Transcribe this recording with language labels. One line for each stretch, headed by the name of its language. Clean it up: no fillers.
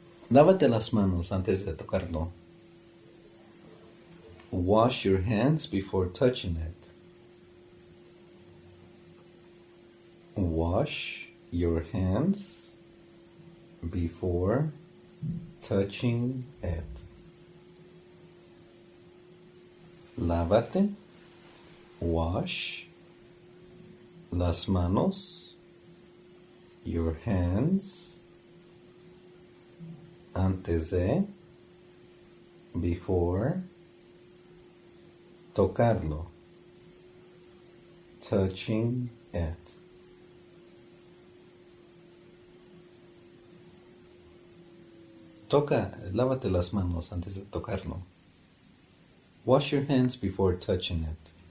Spanish: Lávate las manos antes de tocarlo.
English: Wash your hands before touching it. Wash your hands before touching it.
Spanish: Lávate,
English: wash
Spanish: las manos,
English: your hands,
Spanish: antes de,
English: before,
Spanish: tocarlo,
English: touching it.
Spanish: Toca, lávate las manos antes de tocarlo.
English: Wash your hands before touching it.